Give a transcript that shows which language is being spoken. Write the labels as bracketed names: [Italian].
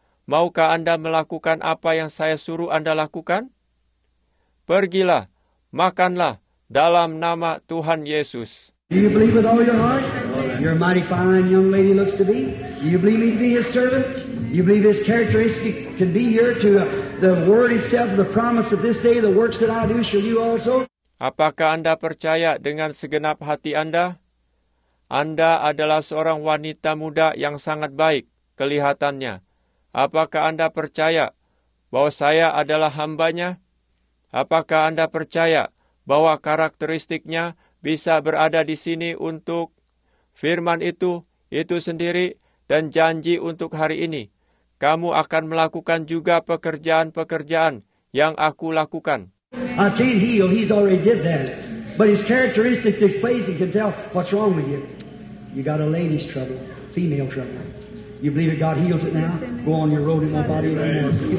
[Indonesian] Maukah Anda melakukan apa yang saya suruh Anda lakukan? Pergilah, makanlah dalam nama Tuhan Yesus. [English] Do you believe with all your heart? You're a mighty fine young lady looks to be. Do you believe me to be his servant? Do you believe his characteristic can be here to the word itself, the promise of this day, the works that I do, shall you also? [Indonesian] Apakah Anda percaya dengan segenap hati Anda? Anda adalah seorang wanita muda yang sangat baik, kelihatannya. Apakah Anda percaya bahwa saya adalah hambanya? Apakah Anda percaya bahwa karakteristiknya bisa berada di sini untuk firman itu sendiri, dan janji untuk hari ini? Kamu akan melakukan juga pekerjaan-pekerjaan yang aku lakukan. [English] I can't heal. He's already did that. But his characteristic displays, he can tell what's wrong with you. You got a lady's trouble, female trouble. You believe that God heals it now? Go on your road in my body anymore.